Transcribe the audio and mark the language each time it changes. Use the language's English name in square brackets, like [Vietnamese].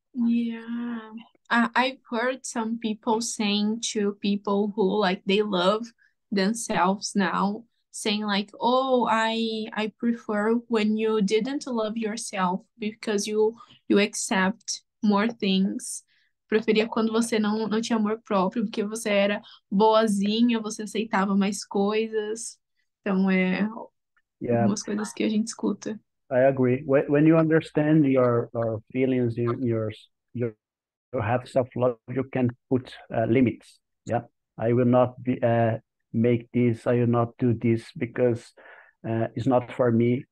[English] Yeah, I've heard some people saying to people who like they love themselves now, saying like, oh, I prefer when you didn't love yourself because you accept more things. [Portuguese] Preferia quando você não tinha amor próprio, porque você era boazinha, você aceitava mais coisas. Então é [English] Yeah, [Portuguese] algumas coisas que a gente escuta. [English] I agree. When you understand your feelings, you have self-love, you can put limits. Yeah, I will not be make this. I will not do this because it's not for me.